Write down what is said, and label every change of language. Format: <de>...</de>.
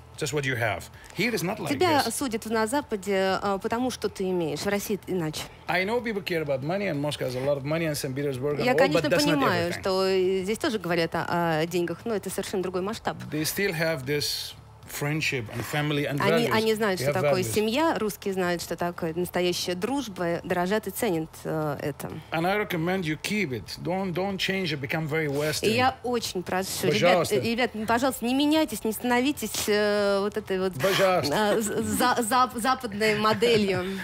<en>just what you have. Here is not like</en> <ru>тебя</ru> <en>this.</en> <ru>Судят на Западе, потому что ты имеешь. В России иначе.</ru> <en>I know people care about money, and Moscow has a lot of money, and St. Petersburg.</en> <ru>Я,</ru> <en>all,</en> <ru>конечно,</ru> <en>but</en> <ru>понимаю, что здесь тоже говорят о деньгах, но это совершенно другой масштаб.</ru> <en>They still have this friendship and family and values.</en> <ru>Они знают, что такое семья. Русские знают, что такое настоящая дружба. Дорожат и ценят это.</ru> <en>And I recommend you keep it. Don't change it. Become very Western.</en> <ru>И я очень прошу, ребят, пожалуйста, не меняйтесь, не становитесь вот этой вот западной моделью.</ru>